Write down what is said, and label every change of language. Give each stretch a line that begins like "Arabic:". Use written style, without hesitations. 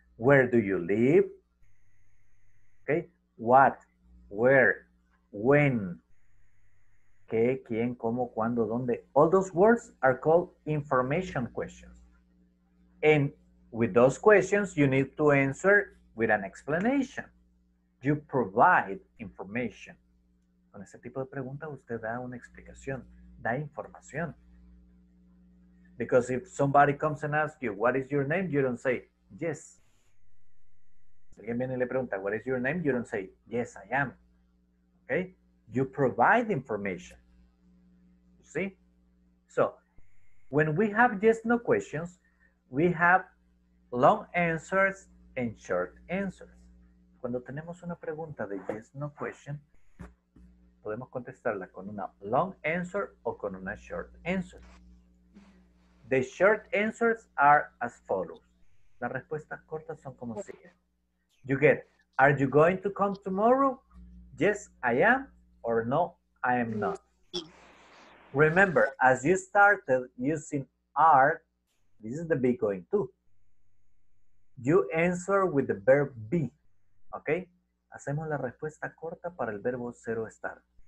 English: Where do you live? Okay, what, where, when,
Spanish: qué, quién, cómo, cuándo, dónde.
English: All those words are called information questions. And with those questions, you need to answer with an explanation. You provide information.
Spanish: Con ese tipo de pregunta, usted da una explicación, da información.
English: Because if somebody comes and asks you, what is your name? You don't say, yes.
Spanish: Si alguien viene y le pregunta,
English: what is your name? You don't say, yes, I am. Okay? You provide information. You see? So, when we have yes, no questions, we have long answers and short answers.
Spanish: Cuando tenemos una pregunta de yes, no question, podemos contestarla con una long answer o con una short answer.
English: The short answers are as follows.
Spanish: Las respuestas cortas son como sigue.
English: You get, are you going to come tomorrow? Yes, I am. Or no, I am not. Remember, as you started using are, this is the be going to. You answer with the verb be. Okay?
Spanish: Hacemos la respuesta corta para el verbo ser o estar.